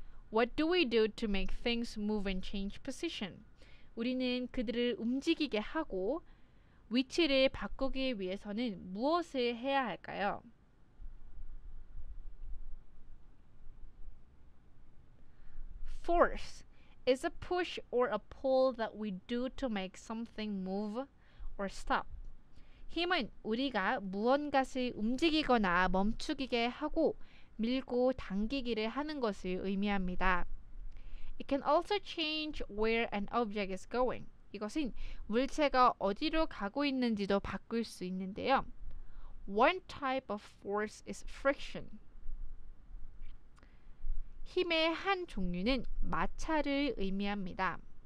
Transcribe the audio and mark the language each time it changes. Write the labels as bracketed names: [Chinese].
[English] What do we do to make things move and change position? [Korean] 우리는 그들을 움직이게 하고 위치를 바꾸기 위해서는 무엇을 해야 할까요? [English] Force is a push or a pull that we do to make something move or stop. [Korean] 힘은 우리가 무언가를 움직이거나 멈추게 하고 밀고 당기기를 하는 것을 의미합니다. [English] It can also change where an object is going. [Korean] 이것은 물체가 어디로 가고 있는지도 바꿀 수 있는데요. [English] One type of force is friction. [Korean] 힘의 한 종류는 마찰을 의미합니다.